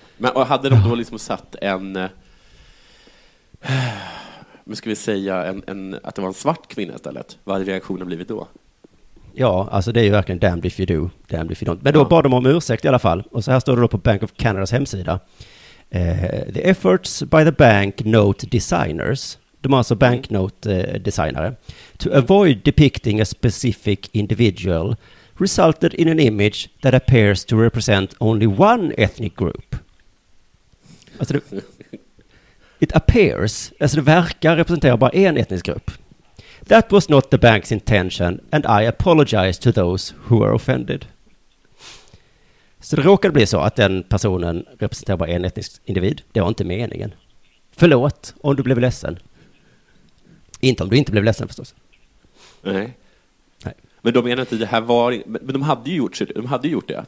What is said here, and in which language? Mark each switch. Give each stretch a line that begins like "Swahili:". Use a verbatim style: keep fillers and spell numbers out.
Swedish: Men och hade de då liksom satt en... Eh, nu ska vi säga en, en, att det var en svart kvinna istället. Vad hade reaktionen blivit då? Ja, alltså det är ju verkligen
English: damned if you do, damned if you don't.
Swedish: Men då ja. bad de om ursäkt i alla fall. Och så här står det då på Bank of Canadas hemsida.
English: Eh, the efforts by the banknote designers...
Swedish: De är alltså banknote-designare.
English: To avoid depicting a specific individual resulted in an image that appears to represent only one ethnic group.
Swedish: Alltså det,
English: it appears,
Swedish: alltså det verkar representera bara en etnisk grupp.
English: That was not the bank's intention and I apologize to those who are offended.
Swedish: Så det råkade bli så att den personen representerar bara en etnisk individ. Det var inte meningen. Förlåt om du blev ledsen. Inte om du inte blev ledsen förstås. Nej. Nej. Men de menar inte det här var... Men de hade ju gjort, de hade gjort det.